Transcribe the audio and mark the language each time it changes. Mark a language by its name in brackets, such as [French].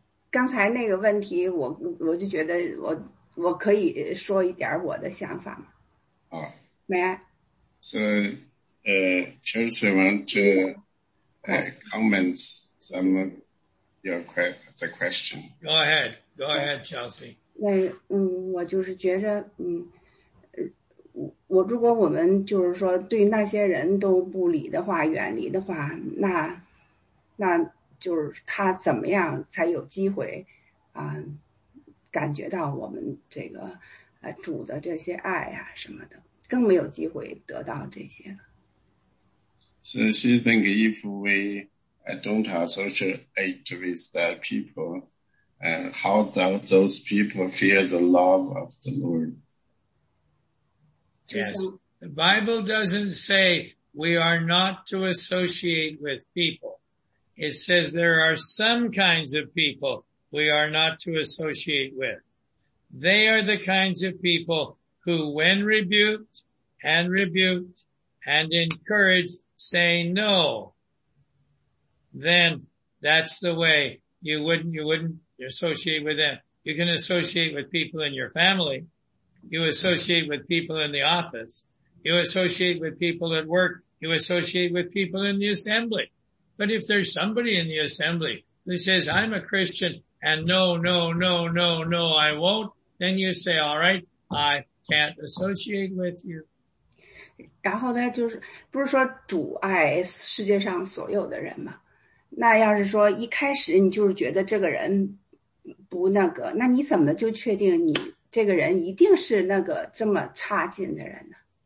[Chinese] 刚才那个问题我就觉得我可以说一点我的想法吗？ [English] May I? So, Chelsea wants to comment some of the question. Go ahead, Chelsea. [Chinese] 我就是觉得我如果我们就是说对那些人都不理的话，远离的话，那就是他怎么样才有机会，感觉到我们这个主的这些爱啊什么的，更没有机会得到这些了。 [English] So she think if we don't have social aid with that people, and how do those people feel the love of the Lord? Yes, the Bible doesn't say we are not to associate with people. It says there are some kinds of people we are not to associate with. They are the kinds of people who, when rebuked and encouraged, say no. Then that's the way you wouldn't associate with them. You can associate with people in your family. You associate with people in the office. You associate with people at work. You associate with people in the assembly. But if there's somebody in the assembly who says, I'm a Christian, and no, no, no, no, no, I won't, then you say, all right, I can't associate with you. [Chinese] 然后呢，就是不是说主爱世界上所有的人吗？那要是说一开始你就是觉得这个人不那个，那你怎么就确定你这个人一定是那个这么差劲的人呢？